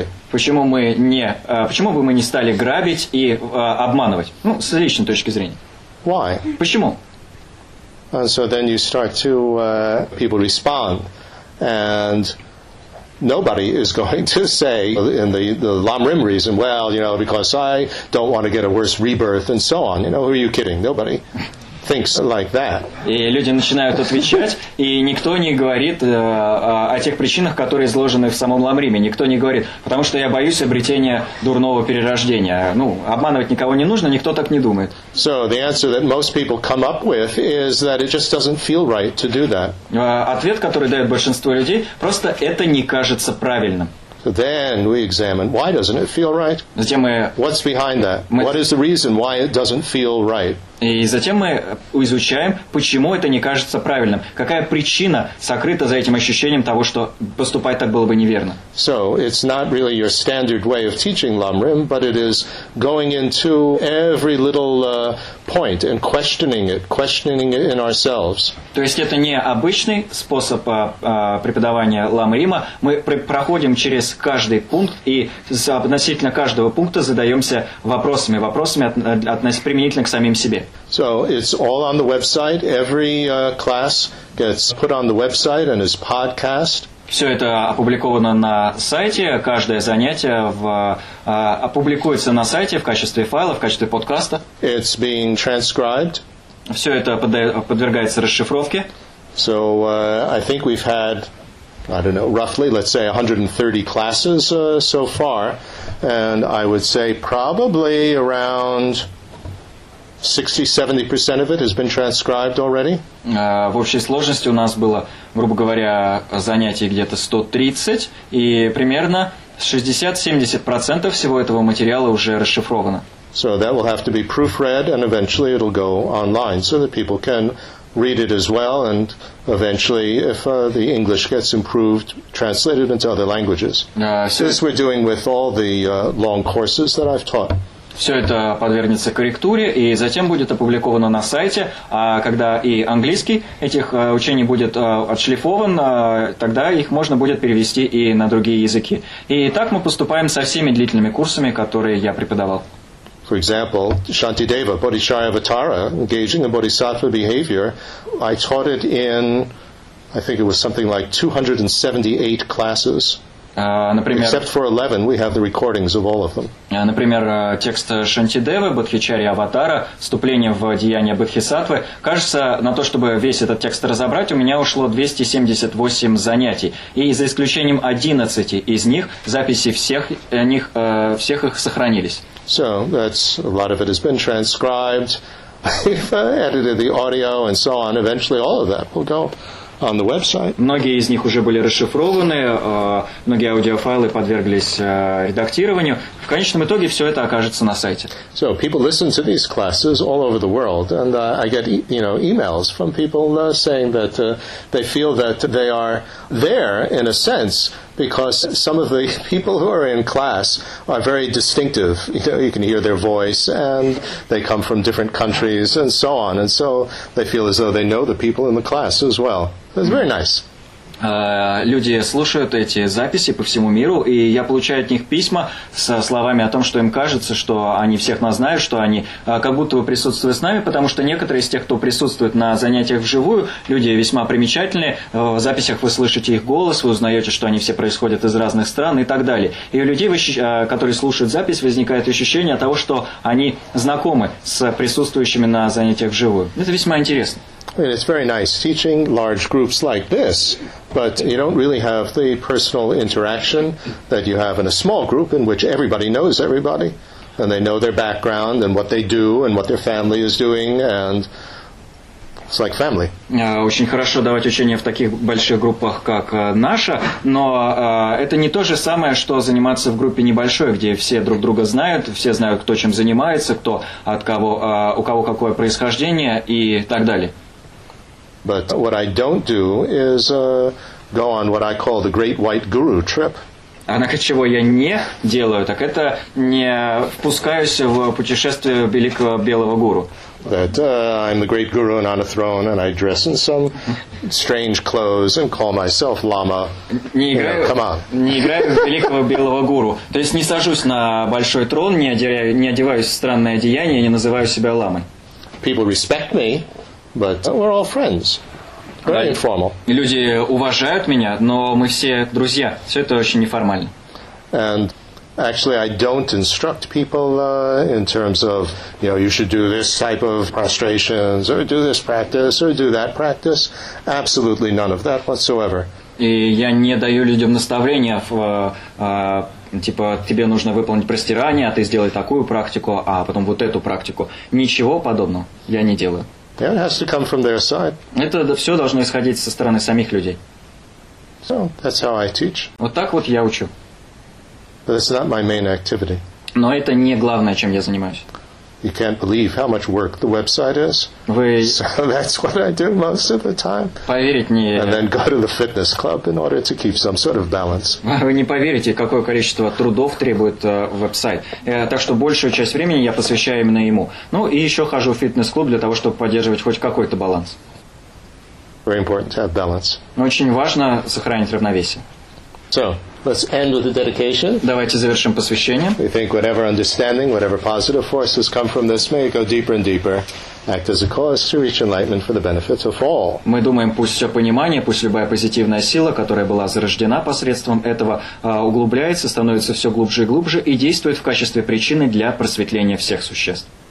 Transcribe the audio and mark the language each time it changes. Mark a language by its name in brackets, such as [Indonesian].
[Russian] Почему бы мы не стали грабить и обманывать? Ну, с личной точки зрения. [English] Why? [Russian] Почему? [English] And so then you start to people respond, and nobody is going to say in the Lamrim reason, well, you know, because I don't want to get a worse rebirth and so on. You know, who are you kidding? Nobody. Thinks like that. [Russian] И люди начинают отвечать, и никто не говорит о тех причинах, которые изложены в самом Ламриме. Никто не говорит, потому что я боюсь обретения дурного перерождения. Ну, обманывать никого не нужно, никто так не думает. [English] So the answer that most people come up with is that it just doesn't feel right to do that. [Russian] Ответ, который дает большинство людей, просто это не кажется правильным. [English] Then we examine why doesn't it feel right? What's behind that? What is the reason why it doesn't feel right? [Russian] И затем мы изучаем, почему это не кажется правильным. Какая причина сокрыта за этим ощущением того, что поступать так было бы неверно. [English] So, it's not really your standard way of teaching Lamrim, but it is going into every little point and questioning it in ourselves. [Russian] То есть это не обычный способ преподавания Ламрима. Мы проходим через каждый пункт и относительно каждого пункта задаемся вопросами применительно к самим себе. [English] So it's all on the website. Every class gets put on the website and is podcast. [Russian] Все это опубликовано на сайте. Каждое занятие опубликуется на сайте в качестве файла, в качестве подкаста. [English] It's being transcribed. [Russian] Все это подвергается расшифровке. [English] So I think we've had, I don't know, roughly, let's say 130 classes so far. And I would say probably around 60-70% of it has been transcribed already. [Russian] В общей сложности у нас было, грубо говоря, занятий где-то 130, и примерно 60-70% всего этого материала уже расшифровано. [English] So that will have to be proofread, and eventually it'll go online, so that people can read it as well, and eventually, if the English gets improved, translated into other languages. This we're doing with all the long courses that I've taught. [Russian] Все это подвергнется корректуре и затем будет опубликовано на сайте. А когда и английский этих учений будет отшлифован, тогда их можно будет перевести и на другие языки. И так мы поступаем со всеми длительными курсами, которые я преподавал. [English] For example, Shantideva, Bodhicharya Avatara, engaging in bodhisattva behavior, I taught it in, I think it was something like 278 classes. [Russian] Например, [English] except for 11, we have the recordings of all of them. [Russian] Например, текст Шантидевы, Бодхичарьи Аватара, вступление в деяния Бодхисаттвы. Кажется, на то, чтобы весь этот текст разобрать, у меня ушло 278 занятий. И за исключением 11 из них, записи всех них, всех их сохранились. [English] So, that's, a lot of it has been transcribed, I've edited the audio and so on, eventually all of that will go on the website. [Russian] Многие из них уже были расшифрованы, многие аудиофайлы подверглись редактированию. В конечном итоге все это окажется на сайте. [English] So, people listen to these classes all over the world, and I get, you know, emails from people saying that they feel that they are there, in a sense, because some of the people who are in class are very distinctive. You know, you can hear their voice, and they come from different countries, and so on. And so, they feel as though they know the people in the class as well. It's very nice. [Russian] Люди слушают эти записи по всему миру, и я получаю от них письма со словами о том, что им кажется, что они всех нас знают, что они как будто бы присутствуют с нами, потому что некоторые из тех, кто присутствует на занятиях вживую, люди весьма примечательные, в записях вы слышите их голос, вы узнаете, что они все происходят из разных стран и так далее. И у людей, которые слушают запись, возникает ощущение того, что они знакомы с присутствующими на занятиях вживую. Это весьма интересно. [English] I mean, it's very nice teaching large groups like this, but you don't really have the personal interaction that you have in a small group in which everybody knows everybody, and they know their background and what they do and what their family is doing, and it's like family. [Russian] Очень хорошо давать учения в таких больших группах, как наша, но это не то же самое, что заниматься в группе небольшой, где все друг друга знают, все знают, кто чем занимается, кто от кого, у кого какое происхождение и так далее. [English] But what I don't do is go on what I call the Great White Guru trip. [Russian] Однако, чего я не делаю, так это не впускаюсь в путешествие великого белого гуру. [English] That I'm the Great Guru and on a throne, and I dress in some strange clothes and call myself Lama. [Russian] Не играю, [English] yeah, come on. [Russian] Не играю в великого белого гуру. То есть не сажусь на большой трон, не одеваюсь в странное одеяние, не называю себя ламой. [English] People respect me. But we're all friends. Very informal. [Russian] Люди уважают меня, но мы все друзья. Все это очень неформально. [English] And actually, I don't instruct people in terms of, you know, you should do this type of prostrations or do this practice or do that practice. Absolutely none of that whatsoever. [Russian] И я не даю людям наставления в типа тебе нужно выполнить простирание, а ты сделай такую практику, а потом вот эту практику. Ничего подобного я не делаю. [English] It has to come from their side. [Russian] Это все должно исходить со стороны самих людей. [English] So that's how I teach. [Russian] Вот так вот я учу. [English] But it's not my main activity. [Russian] Но это не главное, чем я занимаюсь. [English] You can't believe how much work the website is. So that's what I do most of the time. [Russian] Поверить не. [English] And then go to the fitness club in order to keep some sort of balance. [Russian] Вы не поверите, какое количество трудов требует веб-сайт. Так что большую часть времени я посвящаю именно ему. Ну и еще хожу в фитнес-клуб для того, чтобы поддерживать хоть какой-то баланс. [English] Very important to have balance. [Russian] Очень важно сохранить равновесие. [English] So. Let's end with the dedication. [Russian] Давайте завершим посвящение. [English] We think whatever understanding, whatever positive forces come from this may go deeper and deeper, act as a cause to reach enlightenment for the benefit of all. [Russian] Мы думаем, пусть все понимание, пусть любая позитивная сила, которая была зарождена посредством этого, углубляется, становится все глубже и глубже и действует в качестве причины для просветления всех существ.